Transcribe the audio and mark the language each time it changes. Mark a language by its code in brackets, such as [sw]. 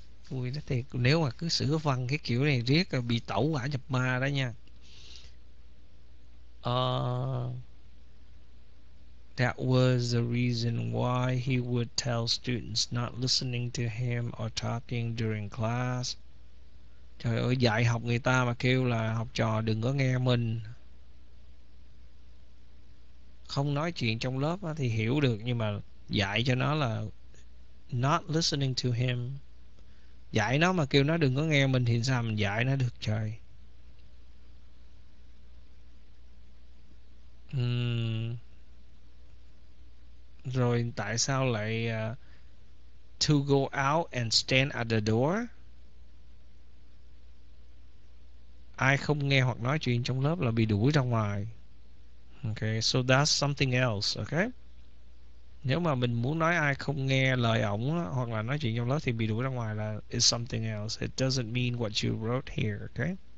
[vi] Ui nó thiệt, nếu mà cứ sửa văn cái kiểu này riết là bị tẩu quả nhập ma đó nha. [en] That was the reason why he would tell students not listening to him or talking during class. [vi] Trời ơi, dạy học người ta mà kêu là học trò đừng có nghe mình, không nói chuyện trong lớp á, thì hiểu được, nhưng mà dạy cho nó là [en] not listening to him, [vi] dạy nó mà kêu nó đừng có nghe mình thì sao mình dạy nó được trời. Rồi tại sao lại [en] to go out and stand at the door? [vi] Ai không nghe hoặc nói chuyện trong lớp là bị đuổi ra ngoài. [en] Okay, so that's something else, okay? [vi] Nếu mà mình muốn nói ai không nghe lời ổng hoặc là nói chuyện trong lớp thì bị đuổi ra ngoài là [en] it's something else. It doesn't mean what you wrote here, okay?